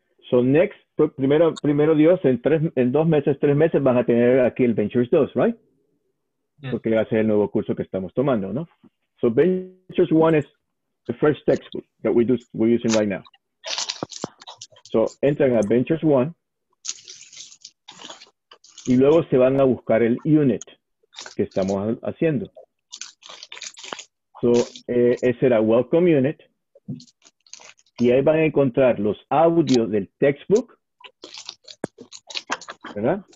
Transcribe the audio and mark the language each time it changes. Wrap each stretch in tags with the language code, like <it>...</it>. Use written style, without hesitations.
<en>So, next,</en> <es>primero Dios, en dos meses, tres meses, van a tener aquí el Ventures 2, ¿right? Yes. Porque va a ser el nuevo curso que estamos tomando, ¿no?</es> <en>So, Ventures 1 is the first textbook that we're using right now.</en> <es>So, entran a Ventures 1 y luego se van a buscar el unit que estamos haciendo. So, ese era Welcome Unit. Y ahí van a encontrar los audios del textbook, ¿verdad?</es>